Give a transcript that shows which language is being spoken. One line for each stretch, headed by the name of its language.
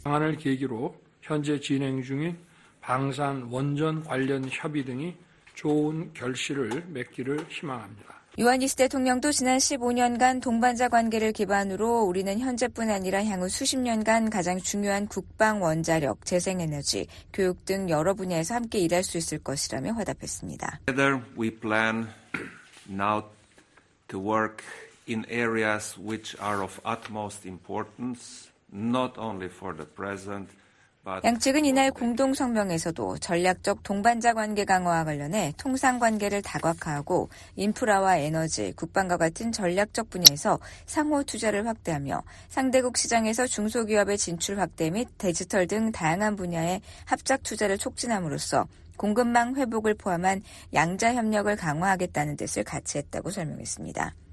Korean: 방안을 계기로 현재 진행 중인 방산 원전 관련 협의 등이 좋은 결실을 맺기를 희망합니다. 요하니스 대통령도 지난 15년간 동반자 관계를 기반으로 우리는 현재뿐 아니라 향후 수십 년간 가장 중요한 국방, 원자력, 재생에너지, 교육 등 여러 분야에서 함께 일할 수 있을 것이라며 화답했습니다.
English: Together we plan now to work in areas which are of utmost importance, not only for the present.
Korean: 양측은 이날 공동성명에서도 전략적 동반자 관계 강화와 관련해 통상관계를 다각화하고 인프라와 에너지, 국방과 같은 전략적 분야에서 상호 투자를 확대하며 상대국 시장에서 중소기업의 진출 확대 및 디지털 등 다양한 분야의 합작 투자를 촉진함으로써 공급망 회복을 포함한 양자 협력을 강화하겠다는 뜻을 같이 했다고 설명했습니다.